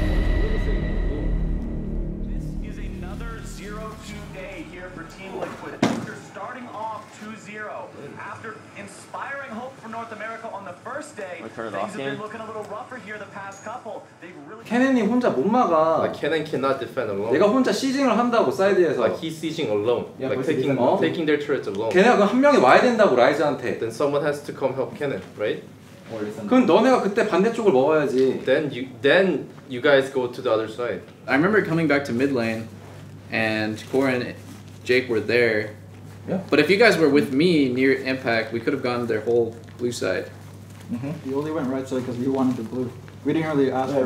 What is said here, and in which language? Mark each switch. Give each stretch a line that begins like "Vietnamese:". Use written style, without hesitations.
English: This is another 0-2 day here for Team Liquid. After starting off 2-0, after inspiring hope for North America on the first day, things have been looking a little rougher here the past couple.
Korean: Kennen이 혼자 못 막아.
English: Like, Kennen cannot defend alone.
Korean: 내가 혼자 시징을 한다고 사이드에서.
English: Like, he's sieging alone. Yeah, like, taking, taking their turrets alone.
Korean: 걔네가 한 명이 와야 된다고 라이즈한테.
English: Then someone has to come help Kennen, right?
Korean: 그럼 너네가 그때 반대쪽을 먹어야지.
English: Then you guys go to the other side. I remember coming back to mid lane, and Core and Jake were there. Yeah. But if you guys were with me near impact, we could have gone their whole blue side. Mm-hmm. You only went right side because you wanted the blue. We didn't really ask for